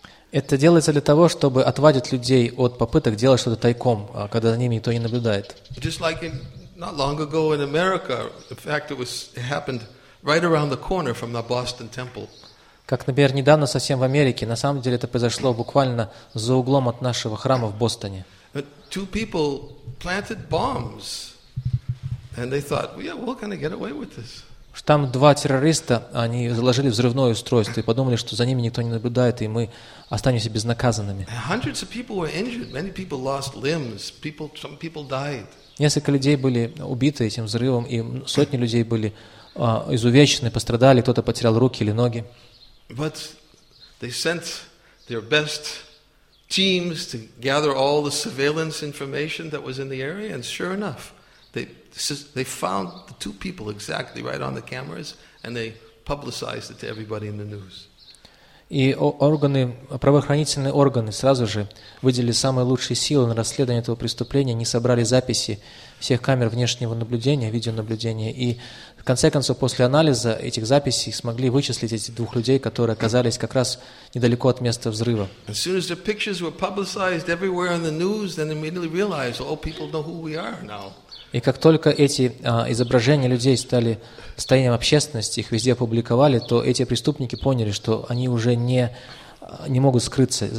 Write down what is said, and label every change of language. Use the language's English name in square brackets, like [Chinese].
[Russian] Это делается для того, чтобы отвадить людей от попыток делать что-то тайком, когда за ними никто не наблюдает. [English] Just like in, not long ago in America, in fact, it happened right around the corner from the Boston Temple. [Russian] Как, например, недавно совсем в Америке, на самом деле это произошло буквально за углом от нашего храма в Бостоне. [English] Two people planted bombs. And they thought, well, yeah, we're going to get away with this. [Russian] Там два террориста, они заложили взрывное устройство и подумали, что за ними никто не наблюдает, и мы останемся безнаказанными. [English] Hundreds of people were injured. Many people lost limbs. Some people died. [Russian] Несколько людей были убиты этим взрывом, и сотни людей были изувечены, пострадали, кто-то потерял руки или ноги. [English] But they sent their best teams to gather all the surveillance information that was in the area, and sure enough, they found the two people exactly right on the cameras, and they publicized it to everybody in the news. [Russian] И органы, правоохранительные органы сразу же выделили самые лучшие силы на расследование этого преступления, они собрали записи всех камер внешнего наблюдения, видеонаблюдения, и в конце концов, после анализа этих записей, смогли вычислить этих двух людей, которые оказались как раз недалеко от места взрыва. [English] As soon as the pictures were publicized everywhere on the news, then they immediately realized, oh, people know who we are now. [Russian] И как только эти изображения людей стали достоянием общественности, их везде опубликовали, то эти преступники поняли, что они уже не могут скрыться.